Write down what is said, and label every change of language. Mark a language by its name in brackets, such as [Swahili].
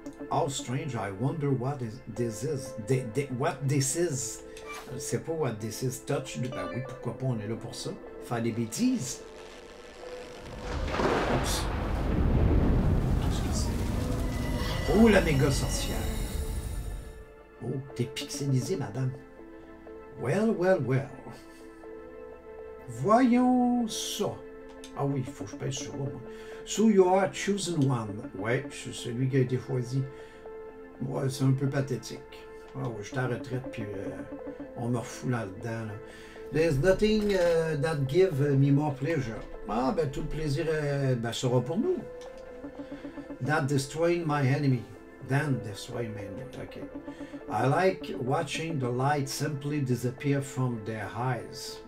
[English] How strange, I wonder what is, this is. What this is. [French] C'est pas [English] what this is. Touch. [French] Ben oui, pourquoi pas, on est là pour ça. Faire des bêtises. Oups. Qu'est-ce que c'est? Oh, la méga sorcière. Oh, t'es pixelisé, madame. [English] Well, well, well. [French] Voyons ça. Ah oui, il faut que je pèse sur moi. [English] So you are chosen one. [French] Ouais, je suis celui qui a été choisi. Ouais, c'est un peu pathétique. Ah ouais, je suis en retraite, puis on me refoule là-dedans. Là. [English] There's nothing that give me more pleasure. [French] Ah, ben tout le plaisir ben, sera pour nous. [English] That destroying my enemy. Than destroying my enemy. OK. I like watching the light simply disappear from their eyes.